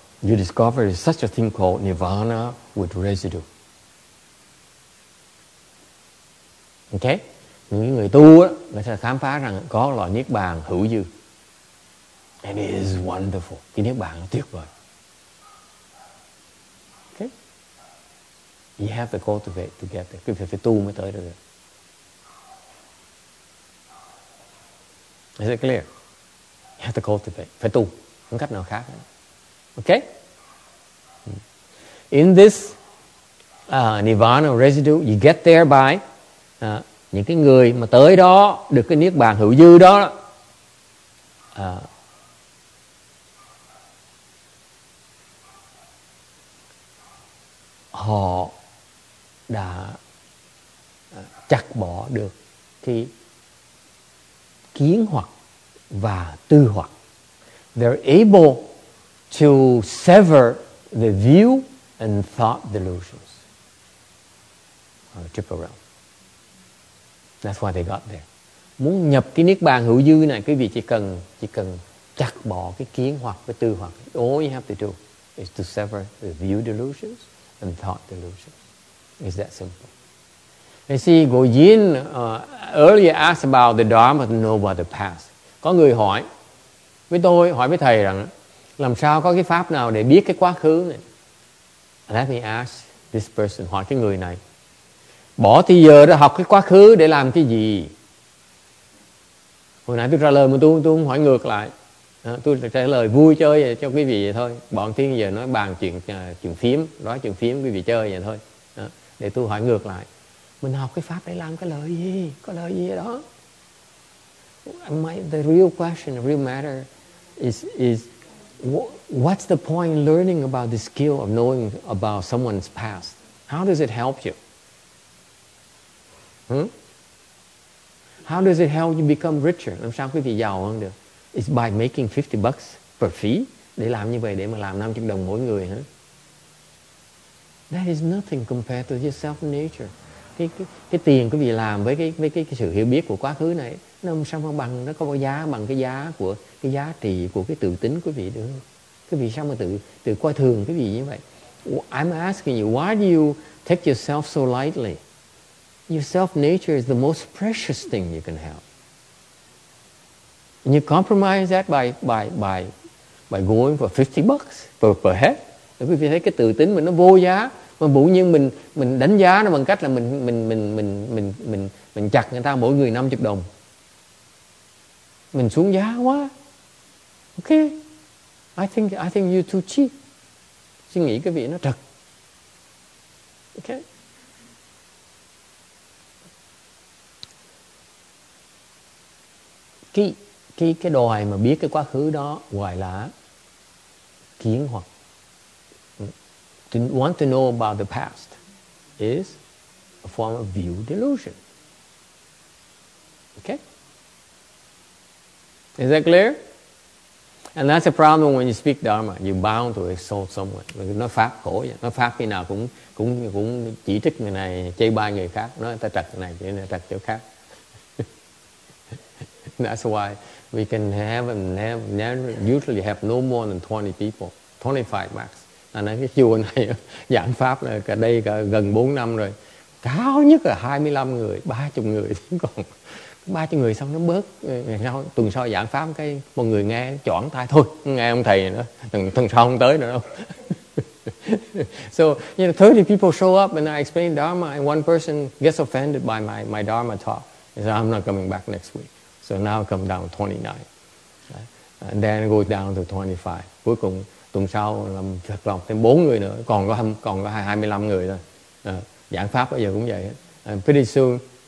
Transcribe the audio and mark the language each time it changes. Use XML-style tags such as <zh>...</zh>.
<en>You discover such a thing called nirvana with residue.</en> <vi>Okay, những người tu đó sẽ khám phá rằng có loại niết bàn hữu dư,</vi> <en>and it is wonderful.</en> <vi>Cái niết bàn tuyệt vời.</vi> <en>You have to cultivate to get there.</en> <vi>Phải tu mới tới được.</vi> <en>Is it clear? You have to cultivate.</en> <vi>Phải tu. Không cách nào khác.</vi> <en>Okay? In this nirvana residue, you get there by</en> <vi>những cái người mà tới đó, được cái niết bàn hữu dư đó. Họ đã chặt bỏ được cái kiến hoặc và tư hoặc.</vi> <en>They're able to sever the view and thought delusions on the triple realm. That's why they got there.</en> <vi>Muốn nhập cái niết bàn hữu dư này, quý vị chỉ cần chặt bỏ cái kiến hoặc cái tư hoặc.</vi> <en>All you have to do is to sever the view delusions and thought delusions. It's that simple. You see, Goyin earlier asked about the Dharma to know about the past.</en> <vi>Có người hỏi với tôi, hỏi với thầy rằng làm sao có cái pháp nào để biết cái quá khứ này?</vi> <en>Let me ask this person,</en> <vi>hỏi cái người này. Bỏ thì giờ ra học cái quá khứ để làm cái gì? Hồi nãy tôi trả lời mà tôi không hỏi ngược lại. Tôi trả lời vui chơi cho quý vị vậy thôi. Bỏ thì giờ nói bàn chuyện phím, nói chuyện phím quý vị chơi vậy thôi. Để tôi hỏi ngược lại. Mình học cái pháp để làm cái lời gì? Có lời gì đó?</vi> <en>The real question, the real matter is what's the point in learning about the skill of knowing about someone's past? How does it help you? How does it help you become richer?</en> <vi>Làm sao quý vị giàu hơn được?</vi> <en>It's by making 50 bucks per fee.</en> <vi>Để làm như vậy, để mà làm 50 đồng mỗi người. Huh?</vi> <en>That is nothing compared to your self-nature.</en> <vi>Cái tiền quý vị làm với cái sự hiểu biết của quá khứ này, nó sao không bằng, nó có giá bằng cái giá của cái giá trị của cái tự tính quý vị được. Quý vị sao mà tự coi thường quý vị như vậy?</vi> <en>I'm asking you, why do you take yourself so lightly? Your self-nature is the most precious thing you can have. And you compromise that by going for 50 bucks per head.</en> <vi>Để quý vị thấy cái tự tính mình nó vô giá. Mà bụi nhiên mình đánh giá nó bằng cách là mình chặt người ta mỗi người 50 đồng. Mình xuống giá quá. Ok.</vi> <en>I think you're too cheap.</en> <vi>Suy nghĩ cái vị nó trật. Ok. Cái đòi mà biết cái quá khứ đó gọi là kiến hoặc.</vi> <en>To want to know about the past is a form of view delusion. Okay? Is that clear? And that's a problem when you speak Dharma. You're bound to exalt someone.</en> <vi>Nó phát khổ vậy. Nó phát khi nào cũng chỉ trích người này, chê bai người khác. Nói ta trật này, chê này trật chỗ khác.</vi> <en>That's why we can have and usually have no more than 20 people. 25 max.</en> <vi>Anh nói cái chùa này giảng pháp là cả đây cả gần 4 năm rồi, cao nhất là 25 người, 30 người, còn 30 người xong nó bớt. Ngày sau, tuần sau giảng pháp cái một người nghe choảng tay, thôi nghe ông thầy này nữa, tuần sau không tới nữa đâu.</vi> <en>So you know, 30 people show up and I explain Dharma and one person gets offended by my Dharma talk. He says, I'm not coming back next week. So now come down to 29, and then go down to 25.</en> <vi>Cuối cùng tuần sau là thật lòng thêm 4 người nữa, còn có 25 người thôi. Giảng pháp bây giờ cũng vậy.</vi>